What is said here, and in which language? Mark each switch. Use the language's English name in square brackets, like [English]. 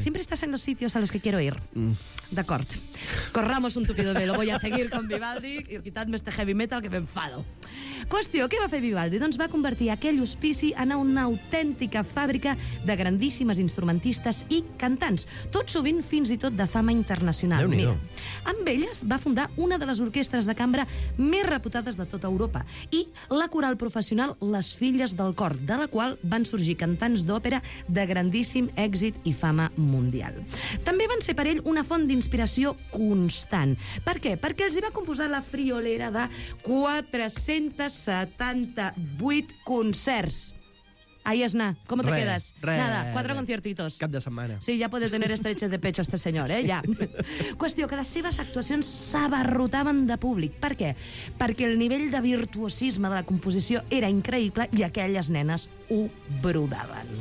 [Spanish] Siempre estás en los sitios a los que quiero ir. [Catalan] D'acord. [Spanish] Corramos un tupido velo. Voy a seguir con Vivaldi y quitadme este heavy metal que me enfado. [Catalan] Qüestió, què va fer Vivaldi? Doncs va convertir aquell hospici en una autèntica fàbrica de grandíssimes instrumentistes i cantants, tot sovint fins i tot de fama internacional. Déu-n'hi-do. Amb elles va fundar una de les orquestres de cambra més reputades de tota Europa i la coral professional Les Filles del Cor, de la qual van sorgir cantants d'òpera de grandíssim èxit i fama mundial. També van ser per ell una font d'inspiració constant. Per què? Perquè els hi va composar la friolera de 478 concerts. [Spanish] Ahí es na. ¿Cómo te quedas? Nada, cuatro conciertitos. [Catalan] Cap de setmana. [Spanish] Sí, ya puede tener estreches de pecho este señor, ¿eh? Sí. Ya. [Catalan] Qüestió, que les seves actuacions s'abarrotaven de públic. Per què? Perquè el nivell de virtuosisme de la composició era increïble i aquelles nenes ho brodaven.